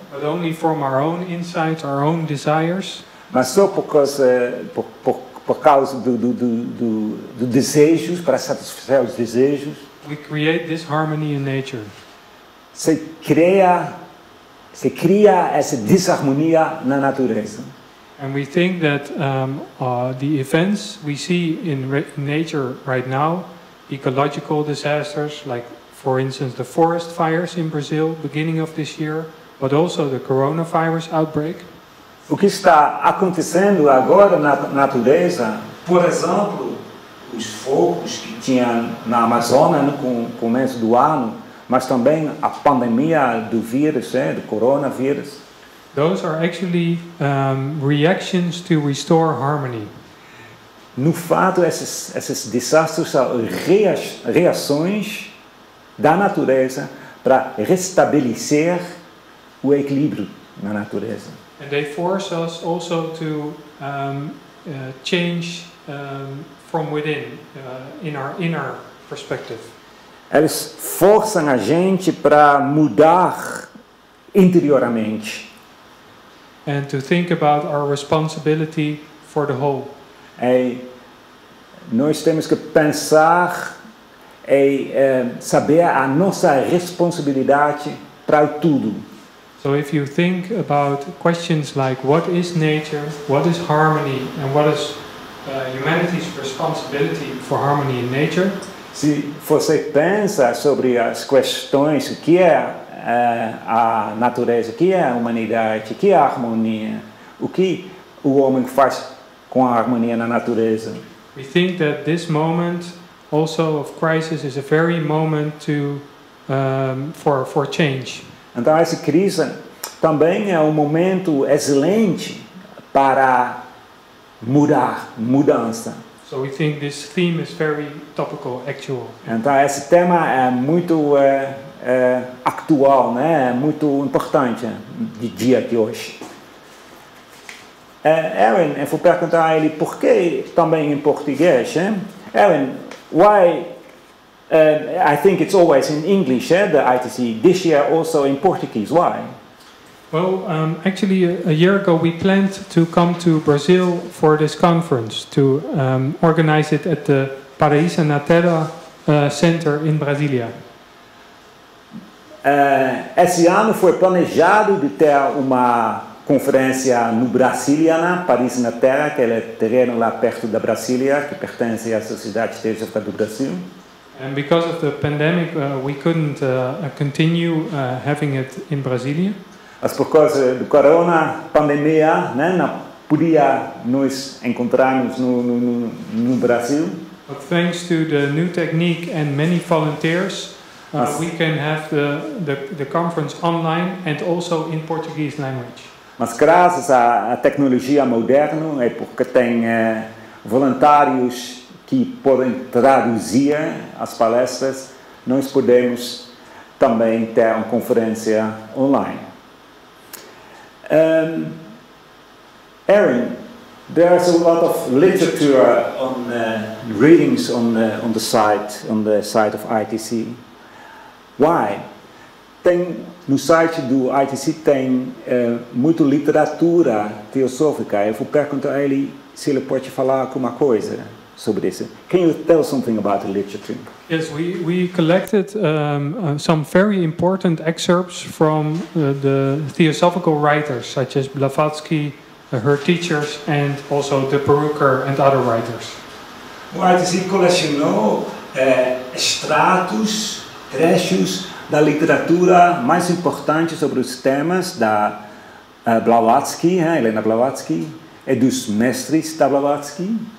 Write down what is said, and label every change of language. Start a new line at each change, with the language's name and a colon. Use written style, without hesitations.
English: but only from our own insights, our own desires,
Portuguese: mas só por causa do desejos, para satisfazer os desejos,
English: we create this harmony in nature.
Portuguese: Se cria essa desarmonia na natureza.
English: And we think that the events we see in nature right now, ecological disasters, like for instance the forest fires in Brazil beginning of this year, but also the coronavirus outbreak.
Portuguese: O que está acontecendo agora na natureza, por exemplo, os fogos que tinha na Amazônia no começo do ano, mas também a pandemia do vírus, do coronavírus.
English: Those are actually reactions to restore harmony.
Portuguese: No fato, esses desastres são reações da natureza para restabelecer o equilíbrio na natureza.
English: And they force us also to change from within, in our inner perspective.
Portuguese: Eles forçam a gente para mudar interiormente.
English: And to think about our responsibility for the whole.
Portuguese: Nós temos que pensar e saber a nossa responsabilidade para tudo.
English: So if you think about questions like what is nature, what is harmony, and what is humanity's responsibility for harmony in nature?
Portuguese: Se você pensa sobre as questões, o que é a natureza, o que é a humanidade, o que é a harmonia, o homem faz com a harmonia na natureza.
English: We think that this moment also of crisis is a very moment to for change.
Portuguese: Então essa crise também é um momento excelente para mudar, mudança.
English: So we think this theme is very topical, actual.
Portuguese: Então esse tema é muito atual, né? É muito importante de dia de hoje. Aaron, eu vou perguntar a ele por que também em português, hein?
English: Aaron, why? I think it's always in English, the ITC. This year also in Portuguese. Why? Well, actually, a year ago we planned to come to Brazil for this conference to organize it at the Paraíso na Terra Center in Brasília.
Portuguese: Esse ano foi planejado de ter uma conferência no Brasília, na Paraíso na Terra, que é terreno lá perto da Brasília, que pertence à Sociedade Teosófica do Brasil.
English: And because of the pandemic, we couldn't continue having it in Brasília.
Portuguese: Mas por causa do corona, pandemia, né, não podia nos encontrarmos no Brasil.
English: But thanks to the new technique and many volunteers, we can have the conference online and also in Portuguese language.
Portuguese: Mas graças à tecnologia moderna, é porque tem voluntários que podem traduzir as palestras, nós podemos também ter uma conferência online.
English: Aaron, there's a lot of literature on readings on the site of ITC. Why?
Portuguese: Tem no site do ITC tem muita literatura teosófica. Eu vou perguntar a ele se ele pode falar alguma coisa sobre isso.
English: Can you tell something about the literature? Yes, we collected some very important excerpts from the theosophical writers, such as Blavatsky, her teachers, and also De Perucker and other writers.
Portuguese: O ITC colecionou extratos, trechos da literatura mais importante sobre os temas da Blavatsky, Helena Blavatsky, e dos mestres da Blavatsky.